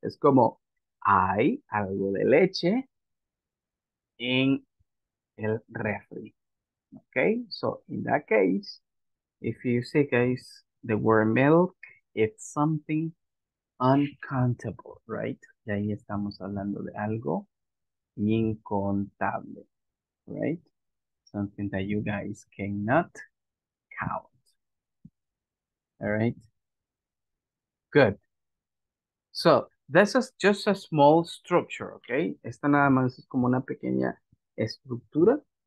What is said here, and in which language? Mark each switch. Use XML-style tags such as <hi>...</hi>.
<es>Es como, hay algo de leche en el refri.</es> <en>Okay, so in that case, if you say, guys, the word milk, it's something uncountable, right?</en> <es>Y ahí estamos hablando de algo incontable, right?</es> <en>Something that you guys cannot count. All right? Good. So, this is just a small structure, okay?</en> <es>Esta nada más es como una pequeña estructura.</es>